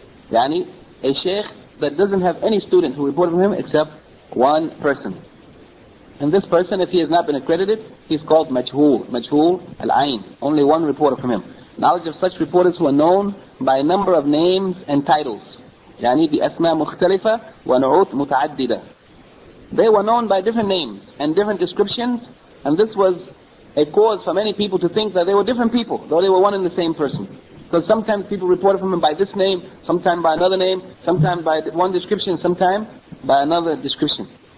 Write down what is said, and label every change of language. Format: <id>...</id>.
<en>Yani, a sheikh that doesn't have any student who reported from him except one person. And this person, if he has not been accredited, he's called majhul, majhul al-ayn, only one reporter from him. Knowledge of such reporters who are known by a number of names and titles.</en> <ar>يعني بأسماء مختلفة ونعوت متعددة.</ar> <en>They were known by different names and different descriptions, and this was a cause for many people to think that they were different people, though they were one and the same person. So sometimes people reported from him by this name, sometimes by another name, sometimes by one description, sometimes by another description.</en>